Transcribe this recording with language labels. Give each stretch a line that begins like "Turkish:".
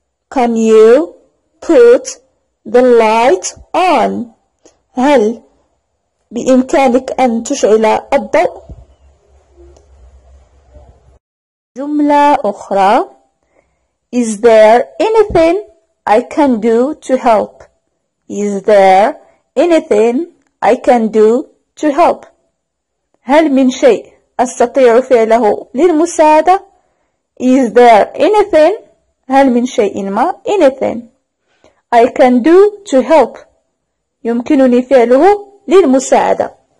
English: Can you put the light on?
Arabic: هل بإمكانك أن تشعل الضوء؟ جملة أخرى
English: Is there anything I can do to help? Is there anything I can do to help?
Arabic: هل من شيء أستطيع فعله للمساعدة؟
English: Is there anything؟
Arabic: هل من شيء ما؟
English: Anything I can do to help؟
Arabic: يمكنني فعله للمساعدة.